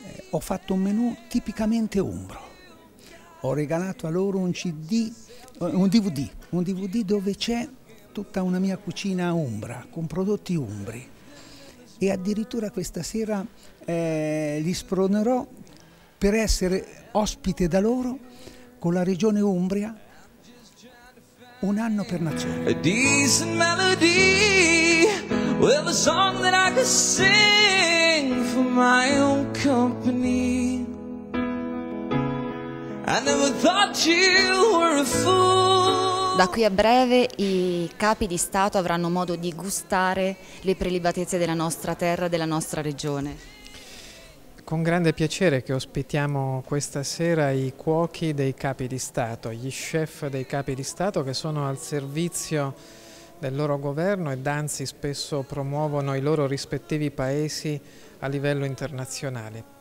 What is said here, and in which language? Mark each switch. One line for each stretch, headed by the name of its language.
Italian: Ho fatto un menù tipicamente umbro, ho regalato a loro un DVD dove c'è tutta una mia cucina umbra, con prodotti umbri, e addirittura questa sera li spronerò per essere ospite da loro con la regione Umbria. Un anno per nazione.
English: A decent melody, well, a song that I could sing for my own company. I never thought you were a fool.
Italian: Da qui a breve i capi di Stato avranno modo di gustare le prelibatezze della nostra terra, della nostra regione. Con grande piacere che ospitiamo questa sera i cuochi dei capi di Stato, gli chef dei capi di Stato che sono al servizio del loro governo e anzi spesso promuovono i loro rispettivi paesi a livello internazionale.